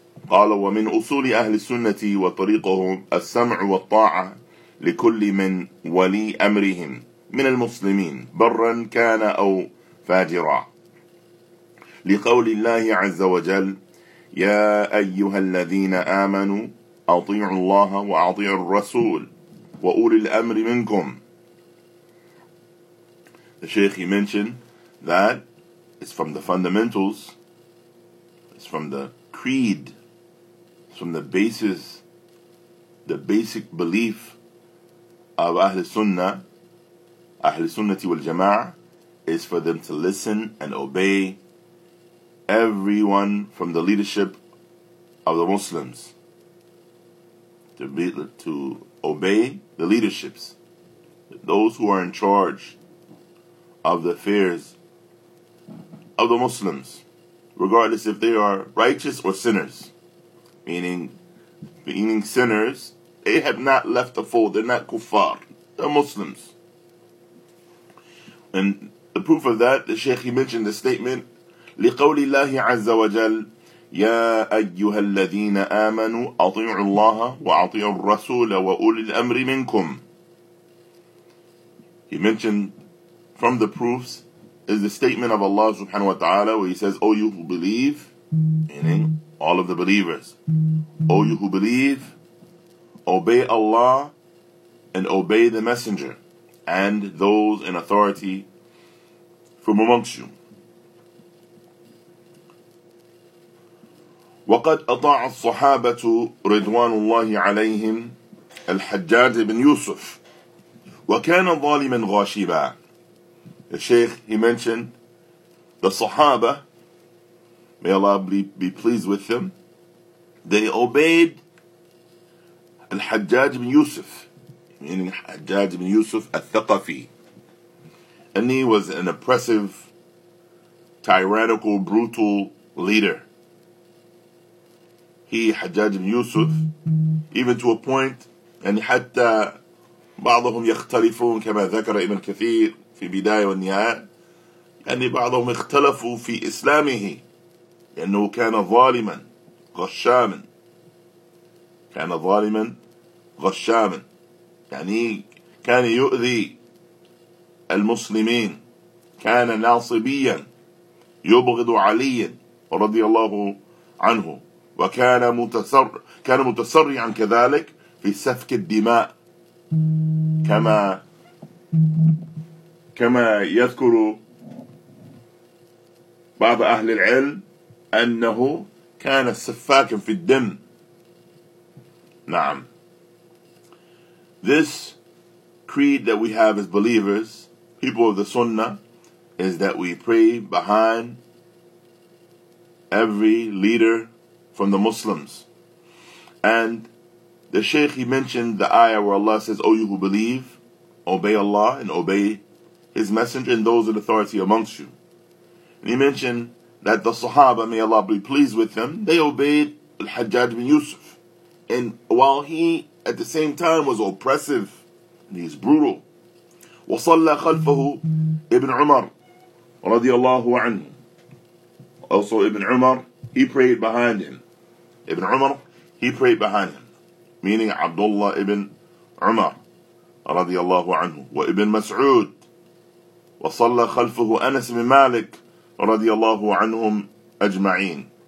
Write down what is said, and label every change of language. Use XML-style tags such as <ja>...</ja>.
<ar>قال ومن أصول أهل السنة وطريقهم السمع والطاعة لكل من ولي أمرهم من المسلمين برا كان أو فاجرا لقول الله عز وجل يا أيها الذين آمنوا أطيعوا الله وأطيعوا الرسول وأولي الأمر منكم.</ar> <en>The Shaykh mentioned that it's from the fundamentals, it's from the creed, it's from the basis, the basic belief of Ahl Sunnah, Ahl Sunnati wal Jama'ah, is for them to listen and obey everyone from the leadership of the Muslims. To obey the leaderships, those who are in charge of the affairs of the Muslims, regardless if they are righteous or sinners. Meaning sinners, they have not left the fold, they're not kuffar, they're Muslims. And the proof of that, the Shaykh, he mentioned the statement,</en> <ar>لِقَوْلِ اللَّهِ عَزَّ وَجَلْ يَا أَيُّهَا الَّذِينَ آمَنُوا أَطِيعُوا اللَّهَ وَأَطِيعُوا الرَّسُولَ وَأُولِي الْأَمْرِ مِنْكُمْ.</ar> <en>He mentioned from the proofs is the statement of Allah subhanahu wa ta'ala, where He says, O you who believe, meaning all of the believers, O you who believe, obey Allah and obey the Messenger and those in authority from amongst you.</en> <ar>وقد أطاع الصحابة رضوان الله عليهم الحجاج بن يوسف وكان ظالما غاشبا.</ar> <en>The Shaykh, he mentioned the Sahaba, may Allah be pleased with them, they obeyed الحجاج بن يوسف, meaning الحجاج بن يوسف الثقفي, and he was an oppressive, tyrannical, brutal leader. He, Hajjaj ibn Yusuf, even to a point, and</en> <ar>حتى بعضهم يختلفون كما ذكر ابن كثير في بداية والنهاية, أن بعضهم اختلفوا في إسلامه لأنه كان ظالما غشاما, كان ظالما غشاما, يعني كان يؤذي المسلمين, كان ناصبيا يبغض عليا رضي الله عنه, وكان متسرعا كذلك في سفك الدماء كما يذكر بعض أهل العلم أنه كان سفاكا في الدم. نعم.</ar> <en>This creed that we have as believers, people of the Sunnah, is that we pray behind every leader from the Muslims. And the Shaykh, he mentioned the ayah where Allah says, O you who believe, obey Allah and obey His Messenger and those in authority amongst you. And he mentioned that the Sahaba, may Allah be pleased with them, they obeyed Al-Hajjaj bin Yusuf. And while he at the same time was oppressive, and he's brutal.</en> <ar>وصلى خلفه ابن عمر رضي الله عنه.</ar> <en>Also Ibn Umar, he prayed behind him. Ibn Umar, he prayed behind him. Meaning Abdullah ibn Umar</en> <ar>رضي الله عنه. وابن مسعود. وصلى خلفه أنس بن مالك رضي الله عنهم أجمعين.</ar>